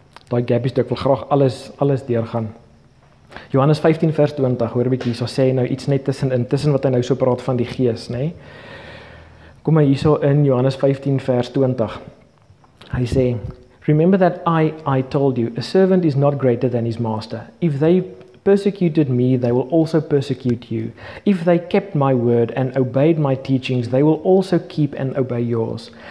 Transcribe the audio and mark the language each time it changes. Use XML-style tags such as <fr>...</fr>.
<af>Daai Gabby stuk wil graag alles deurgaan. Johannes 15 vers 20, hoor 'n bietjie, so sê hy nou iets net tussen wat hy nou so praat van die gees, nê? Kom maar hierso in Johannes 15 vers 20. Hy sê,</af> <en>"Remember that I told you, a servant is not greater than his master. If they persecuted me, they will also persecute you. If they kept my word and obeyed my teachings, they will also keep and obey yours.</en>